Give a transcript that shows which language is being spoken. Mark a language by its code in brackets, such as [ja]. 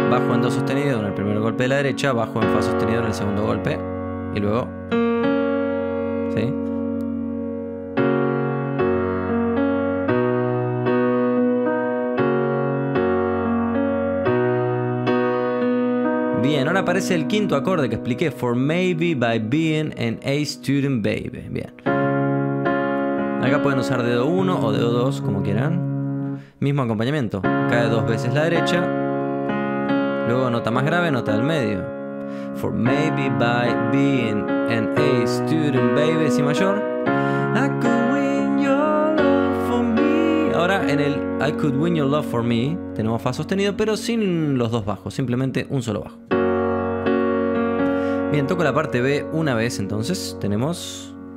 [es] Bajo en Do sostenido en el primer golpe de la derecha, bajo en Fa sostenido en el segundo golpe. Y luego... ¿sí? Bien, ahora aparece el quinto acorde que expliqué. [en] For Maybe by Being an A Student Baby. [es] Bien. Acá pueden usar dedo 1 o dedo 2, como quieran. Mismo acompañamiento, cae dos veces la derecha, luego nota más grave, nota del medio. [en] For maybe by being an A student baby, [es] Si mayor. [en] I could win your love for me. [es] Ahora en el [en] I could win your love for me [es] tenemos Fa sostenido, pero sin los dos bajos, simplemente un solo bajo. Bien, toco la parte B una vez, entonces tenemos...